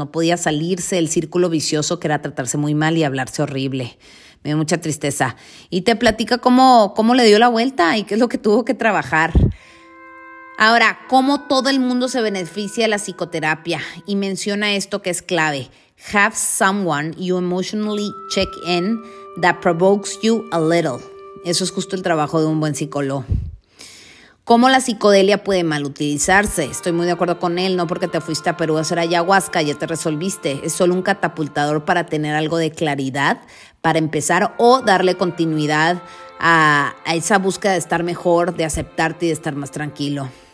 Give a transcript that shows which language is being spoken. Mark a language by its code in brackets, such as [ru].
[es] No podía salirse del círculo vicioso que era tratarse muy mal y hablarse horrible. Me dio mucha tristeza. Y te platica cómo le dio la vuelta y qué es lo que tuvo que trabajar. Ahora, ¿cómo todo el mundo se beneficia de la psicoterapia? Y menciona esto que es clave. [en] Have someone you emotionally check in that provokes you a little. [es] Eso es justo el trabajo de un buen psicólogo. ¿Cómo la psicodelia puede mal utilizarse? Estoy muy de acuerdo con él, no porque te fuiste a Perú a hacer ayahuasca, ya te resolviste. Es solo un catapultador para tener algo de claridad, para empezar o darle continuidad a esa búsqueda de estar mejor, de aceptarte y de estar más tranquilo.